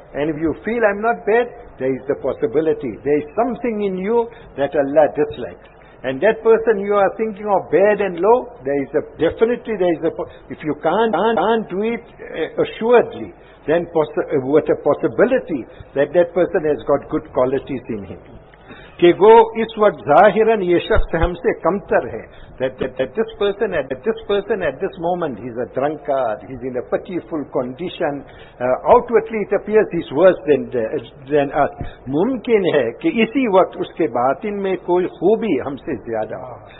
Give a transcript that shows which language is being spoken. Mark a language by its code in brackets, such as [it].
[en] And if you feel I'm not bad, there is the possibility. There is something in you that Allah dislikes. And that person you are thinking of bad and low, if you can't do it assuredly, then what a possibility that person has got good qualities in him. [ur] کہ وہ اس وقت ظاہراً یہ شخص ہم سے کمتر ہے. [en] At this moment he's a drunkard, he's in a pitiful condition. Outwardly it appears he's worse than us. [ur] ممکن ہے کہ اسی وقت اس کے باطن میں کوئی خوبی ہم سے زیادہ ہو.